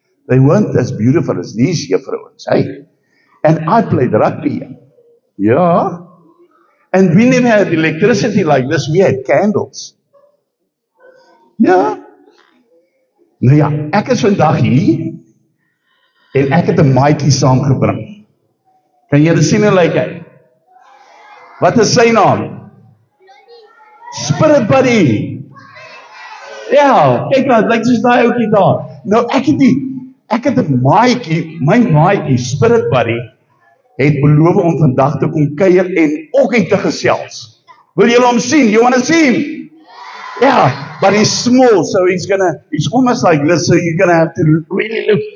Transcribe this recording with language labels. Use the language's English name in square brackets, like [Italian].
[English] They weren't as beautiful as these juffrouens, hey. And I played rugby. Yeah. And we didn't have electricity like this, we had candles. Yeah. [Afrikaans] Nou ja, ek is vandag hier en ek het 'n maatjie saamgebring. Kan jy dit sien hoe lyk hy? Wat is sy naam? Spirit Buddy. Ja, kyk nou, lyk soos daai ouetjie daar. Nou ek het 'n maatjie, my maatjie Spirit Buddy het beloof om vandag te kom kuier en ook hy te gesels. Wil julle hom sien? [English] You want to see him? Ja, but he's small, so he's almost like this, so you're going to have to really look.